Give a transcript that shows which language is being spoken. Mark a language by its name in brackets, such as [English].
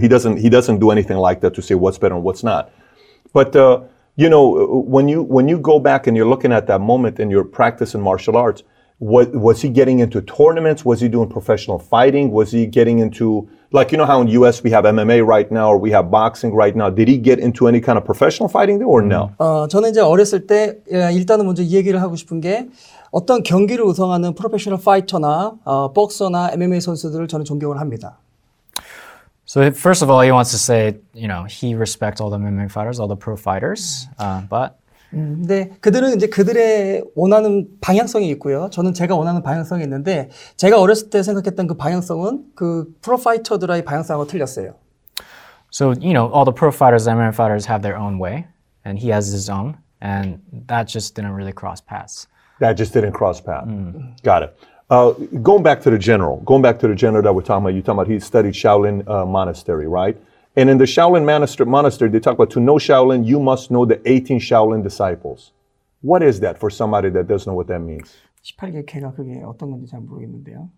[English] He doesn't do anything like that to say what's better and what's not. But you know, when you go back and you're looking at that moment in your practice in martial arts, was he getting into tournaments? Was he doing professional fighting? Was he getting into, like, you know how in US we have MMA right now, or we have boxing right now? Did he get into any kind of professional fighting there or no? [Korean] 저는 이제 어렸을 때 일단은 먼저 이 얘기를 하고 싶은 게 어떤 경기를 우승하는 프로페셔널 파이터나 복서나 MMA 선수들을 저는 존경을 합니다. [English] So first of all, he wants to say, you know, he respects all the MMA fighters, all the pro fighters, but. [Korean] 근데 그들은 이제 그들의 원하는 방향성이 있고요. 저는 제가 원하는 방향성이 있는데 제가 어렸을 때 생각했던 그 방향성은 그 프로 파이터들의 방향성하고 틀렸어요. [English] So you know, all the pro fighters, MMA fighters have their own way, and he has his own, and that just didn't really cross paths. That just didn't cross paths. Mm. Got it. Going back to the general that we're talking about, you're talking about he studied Shaolin Monastery, right? And in the Shaolin Monastery, they talk about to know Shaolin, you must know the 18 Shaolin disciples. What is that for somebody that doesn't know what that means? [Korean] 18개 개가 그게 어떤 건지 잘 모르겠는데요.